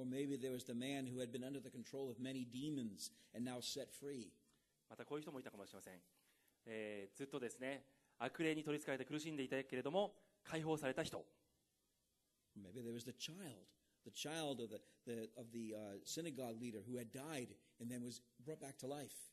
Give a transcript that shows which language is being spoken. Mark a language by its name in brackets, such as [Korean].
[English] Or maybe there was the man who had been under the control of many demons and now set free. [Japanese] またこういう人もいたかもしれません。ずっとですね、悪霊に取り憑かれて苦しんでいたけれども解放された人。 [English] Maybe there was the child, the child of the synagogue leader who had died and then was brought back to life.